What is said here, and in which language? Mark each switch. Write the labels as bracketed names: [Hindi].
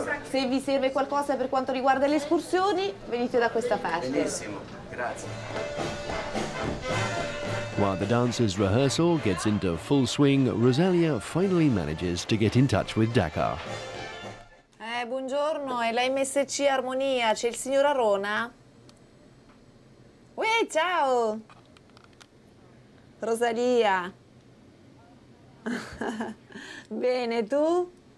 [Italian] Se vi serve qualcosa per quanto riguarda le escursioni, venite da questa parte. Benissimo, grazie. [English] While the dancers' rehearsal gets into full swing, Rosalia finally manages to get in touch with Dakar. [Italian] Buongiorno, è la MSC Armonia, c'è il signor Arona? Uè, ciao! Rosalia. Bene, tu?